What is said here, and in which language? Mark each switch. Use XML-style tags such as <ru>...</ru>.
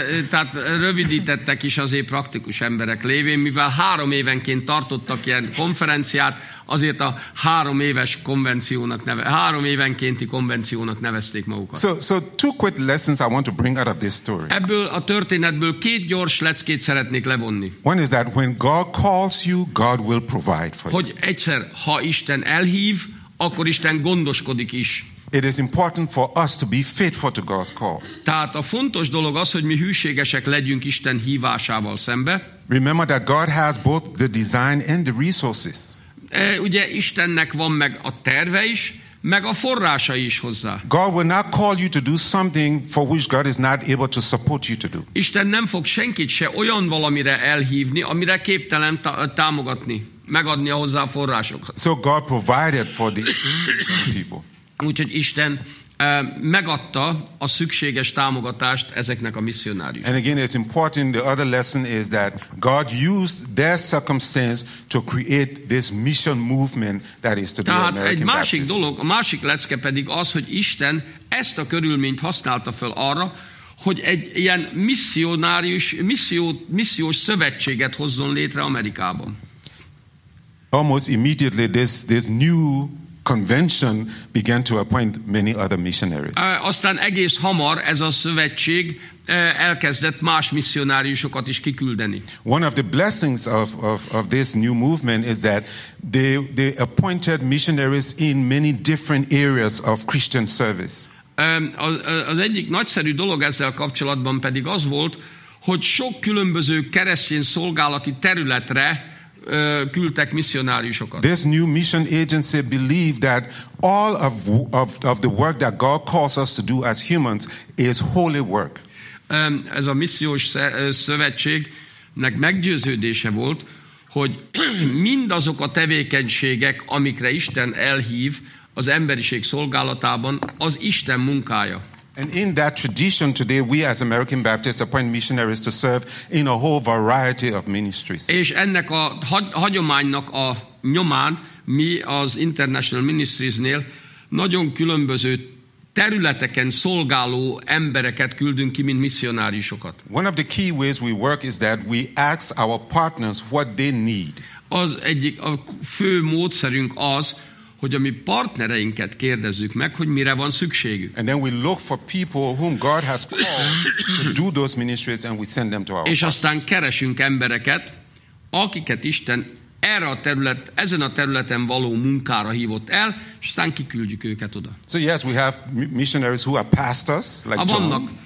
<hu>Tehát rövidítettek is azért praktikus emberek lévén, mivel három évenként tartottak ilyen konferenciát, azért a három éves konvenciónak neve, három évenkénti konvenciónak nevezték magukat.</hu> <en>So two quick lessons I want to bring out of this story.</en> <hu>Ebből a történetből két gyors leckét szeretnék levonni.</hu> <en>One is that when God calls you, God will provide for you.</en> <hu>Hogy egyszer, ha Isten elhív, akkor Isten gondoskodik is.</hu> <en>It is important for us to be faithful to God's call.</en> <hu>Tehát a fontos dolog az, hogy mi hűségesek legyünk Isten hívásával szembe.</hu> <en>Remember that God has both the design and the resources.</en> <hu>Ugye Istennek van meg a terve is, meg a forrása is hozzá.</hu> <en>God will not call you to do something for which God is not able to support you to do.</en> <hu>Isten nem fog senkit se olyan valamire elhívni, amire képtelen támogatni, megadni hozzá a forrásokat.</hu> <en>So God provided for the people.</en> <hu>Úgyhogy Isten megadta a szükséges támogatást ezeknek a misszionáriusoknak.</hu> <en>And again, it's important, the other lesson is that God used their circumstance to create this mission movement that is to the American Baptist.</en> <hu>Egy másik dolog, a másik lecke pedig az, hogy Isten ezt a körülményt használta fel arra, hogy egy ilyen misszionárius, missziós szövetséget hozzon létre Amerikában.</hu> <en>Almost immediately, this new convention began to appoint many other missionaries.</en> <hu>Aztán egész hamar ez a szövetség elkezdett más missionáriusokat is kiküldeni.</hu> <en>One of the blessings of this new movement is that they appointed missionaries in many different areas of Christian service.</en> <hu>Az egyik nagyszerű dolog ezzel kapcsolatban pedig az volt, hogy sok különböző keresztény szolgálati területre küldtek missionáriusokat.</hu> <en>This new mission agency believed that all of the work that God calls us to do as humans is holy work.</en> <hu>Ez a missziós szövetségnek meggyőződése volt, hogy mindazok a tevékenységek, amikre Isten elhív az emberiség szolgálatában, az Isten munkája.</hu> <en>And in that tradition today, we as American Baptists appoint missionaries to serve in a whole variety of ministries.</en> <hu>És ennek a hagyománynak a nyomán mi az International Ministriesnél nagyon különböző területeken szolgáló embereket küldünk ki, mint missionáriusokat.</hu> <en>One of the key ways we work is that we ask our partners what they need.</en> <hu>Az egyik a fő módszerünk az, hogy a mi partnereinket kérdezzük meg, hogy mire van szükségük.</hu> <en>And then we look for people whom God has called to do those ministries and we send them to our partners.</en> <hu>És aztán keresünk embereket, akiket Isten erre a terület, ezen a területen való munkára hívott el, és aztán kiküldjük őket oda.</hu> <en>So yes, we have missionaries who are pastors, like John.</en>